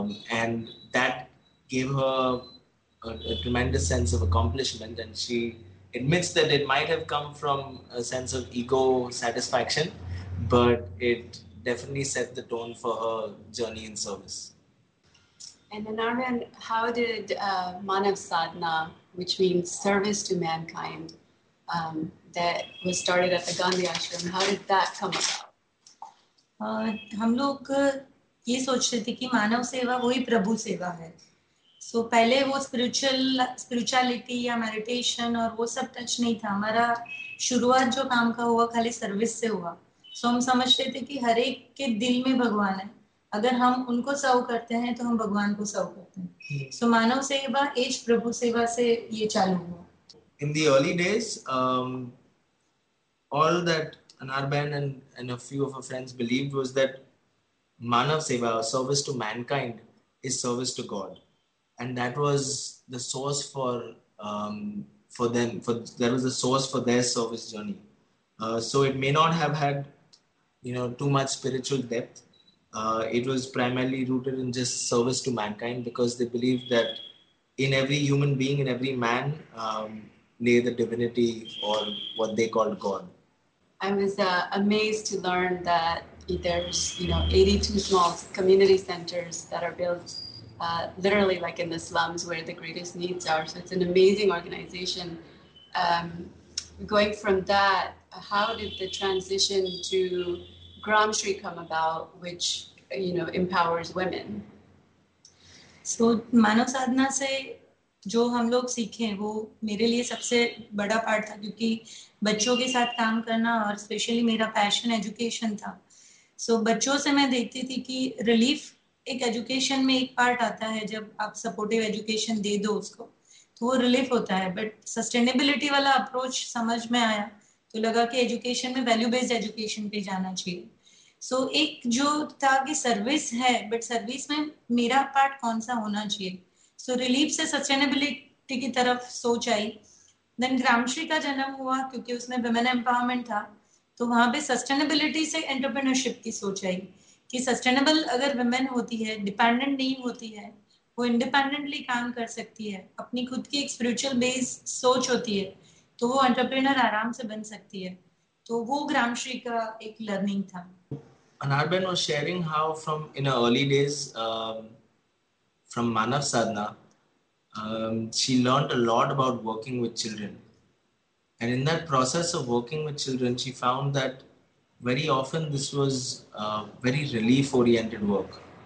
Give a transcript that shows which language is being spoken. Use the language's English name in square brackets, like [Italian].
[English] And that gave her a tremendous sense of accomplishment, and she admits that it might have come from a sense of ego satisfaction, but it definitely set the tone for her journey in service. And Anarban, how did Manav Sadhana, which means service to mankind, that was started at the Gandhi Ashram, how did that come about? [Hindi] हम लोग ये सोच रहे थे कि मानव सेवा वही प्रभु सेवा है. सो पहले वो स्पिरिचुअलिटी या मेडिटेशन और वो सब टच नहीं था. हमारा शुरुआत जो काम का हुआ खाली सर्विस से हुआ. सो हम समझते थे कि हर एक के दिल में भगवान है. अगर हम उनको सर्व करते हैं तो हम भगवान को सर्व करते हैं. सो मानव सेवा एज प्रभु सेवा से ये चालू हुआ. [English] In the early days all that Anarban and a few of her friends believed was that manav seva, or service to mankind, is service to God. And that was the source for their service journey. So it may not have had, you know, too much spiritual depth. It was primarily rooted in just service to mankind, because they believed that in every human being, in every man, lay the divinity, or what they called God. I was amazed to learn that there's, you know, 82 small community centers that are built literally like in the slums where the greatest needs are. So it's an amazing organization. Going from that, how did the transition to Gram Shri come about, which, you know, empowers women? [Hindi] So Manav Sadhana se जो हम लोग सीखे वो मेरे लिए सबसे बड़ा part था, क्योंकि बच्चों के साथ काम करना और स्पेशली मेरा पैशन एजुकेशन था. सो बच्चों से मैं देखती थी कि रिलीफ एक एजुकेशन में एक पार्ट आता है. जब आप सपोर्टिव एजुकेशन दे दो उसको तो वो रिलीफ होता है. बट सस्टेनेबिलिटी वाला अप्रोच समझ में आया तो लगा कि एजुकेशन में वैल्यू बेस्ड एजुकेशन पे जाना चाहिए. सो एक जो था कि सर्विस है, बट सर्विस में मेरा पार्ट कौन सा होना चाहिए. सो रिलीफ से सस्टेनेबिलिटी की तरफ सोच आई. देन ग्रामश्री का जन्म हुआ क्योंकि उसमें वुमेन एम्पावरमेंट था, तो वहाँ पे सस्टेनेबिलिटी से एंटरप्रेन्योरशिप की सोच आई कि सस्टेनेबल अगर वुमेन होती है, डिपेंडेंट नहीं होती है, वो इंडिपेंडेंटली काम कर सकती है, अपनी खुद की एक स्पिरिचुअल बेस सोच होती है, तो वो एंटरप्रेनर आराम से बन सकती है. तो वो ग्रामश्री का एक लर्निंग था. [English] Anarban was sharing how from in her early days, from Manav Sadhana, she learned a lot about working with children. And in that process of working with children, she found that very often this was very relief-oriented work.